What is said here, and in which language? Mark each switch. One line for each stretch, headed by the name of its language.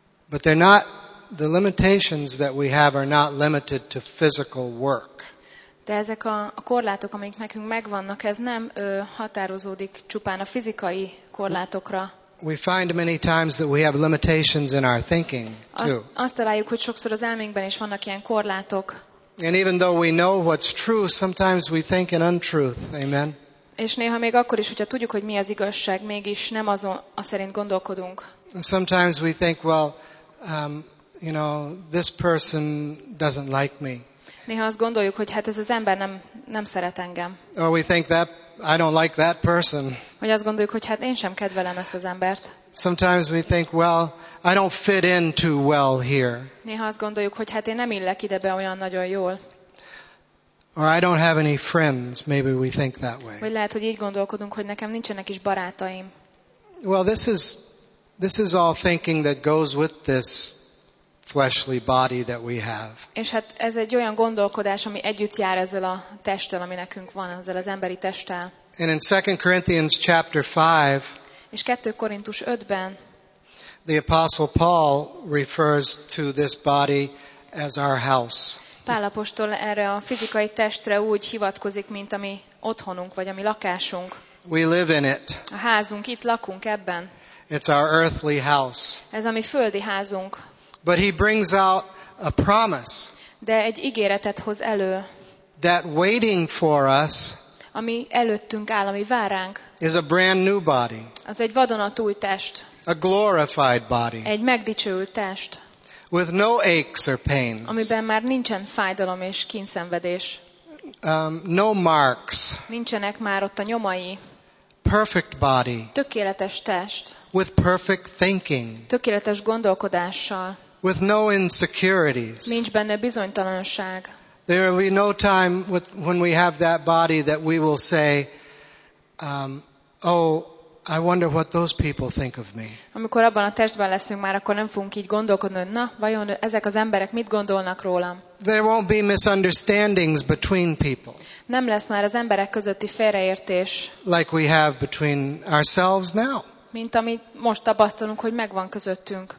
English: But they're not the limitations that we have are not limited to physical work.
Hungarian: De ezek a korlátok, amik nekünk megvannak, ez nem határozódik csupán a fizikai korlátokra.
English: We find many times that we have limitations in our thinking too.
Hungarian: Azt találjuk, hogy sokszor az elménkben is vannak ilyen korlátok.
English: And even though we know what's true, sometimes we think an untruth. Amen.
Hungarian: És néha még akkor is, hogyha tudjuk, hogy mi az igazság, mégis nem azon a szerint gondolkodunk.
English: Sometimes we think, well, you know, this person doesn't like me.
Hungarian: Néha azt gondoljuk, hogy hát ez az ember nem szeret engem.
English: Or we think that I don't like that person.
Hungarian: Vagy azt gondoljuk, hogy hát én sem kedvelem ezt az embert.
English: Sometimes we think, well, I don't fit in too well here.
Hungarian: Néha azt gondoljuk, hogy hát én nem illek ide be olyan nagyon jól.
English: Or I don't have any friends, maybe we think that way.
Hungarian: Vagy lehet, hogy így gondolkodunk, hogy nekem nincsenek is barátaim.
English: Well, this is all thinking that goes with this fleshly body that we have.
Hungarian: És hát ez egy olyan gondolkodás, ami együtt jár ezzel a testtel, ami nekünk van, ezzel az emberi testtel.
English: And in 2 Corinthians chapter 5.
Hungarian: És 2 Korintus 5-ben.
English: The apostle Paul refers to this body as our house.
Hungarian: Pál apostol erre a fizikai testre úgy hivatkozik, mint ami otthonunk vagy ami lakásunk.
English: We live in it.
Hungarian: A házunk itt lakunk ebben.
English: It's our earthly house.
Hungarian: Ez a mi földi házunk.
English: But he brings out a promise.
Hungarian: De egy ígéretet hoz elő.
English: That waiting for us.
Hungarian: Ami előttünk áll, ami vár ránk.
English: Is a brand new body.
Hungarian: Az egy vadonatúj test.
English: a glorified body.
Hungarian: Egy megdicsőült test.
English: With no aches or pains.
Hungarian: Amiben már nincsen fájdalom és kínszenvedés.
English: No marks.
Hungarian: Nincsenek már ott a nyomai.
English: Perfect body.
Hungarian: Tökéletes test.
English: With perfect thinking.
Hungarian: Tökéletes gondolkodással.
English: With no insecurities.
Hungarian: Nincs benne bizonytalanság.
English: There will be no time with, when we have that body that we will say, oh, I wonder what those people think of me.
Hungarian: Amikor abban a testben leszünk már, akkor nem fogunk így gondolkodni, na, vajon ezek az emberek mit gondolnak rólam?
English: There won't be misunderstandings between people.
Hungarian: Nem lesz már az emberek közötti félreértés.
English: Like we have between ourselves now.
Hungarian: Mint amit most tapasztalunk, hogy megvan közöttünk.